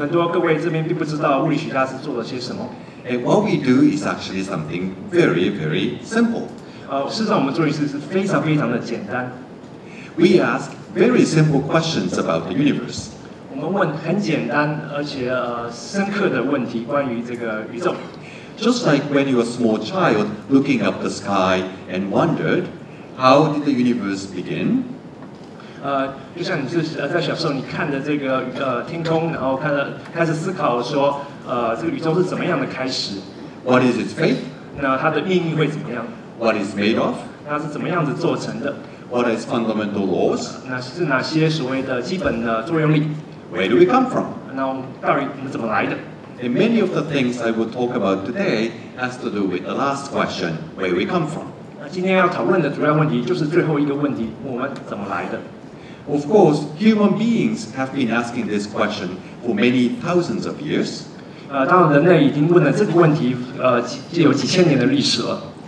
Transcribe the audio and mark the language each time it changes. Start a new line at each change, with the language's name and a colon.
Chinese: 也许很多各位这边并不知道物理学家是做了些什么。
English: And what we do is actually something very, very simple.
Chinese: 事实上我们做的事是非常非常的简单。
English: We ask very simple questions about the universe.
Chinese: 我们问很简单而且深刻的问题关于这个宇宙。
English: Just like when you were a small child looking up the sky and wondered, how did the universe begin?
Chinese: 就像你在小时候你看着这个天空，然后开始思考说，这个宇宙是怎么样的开始？
English: What is its fate?
Chinese: 那它的命运会怎么样？
English: What is made of?
Chinese: 它是怎么样子做成的？
English: What are its fundamental laws?
Chinese: 那是哪些所谓的基本的作用力？
English: Where do we come from?
Chinese: 那我们到底怎么来的？
English: And many of the things I will talk about today has to do with the last question, where we come from.
Chinese: 今天要讨论的主要问题就是最后一个问题，我们怎么来的？
English: Of course, human beings have been asking this question for many thousands of years.
Chinese: 当人类已经问了这个问题，有几千年的历史了。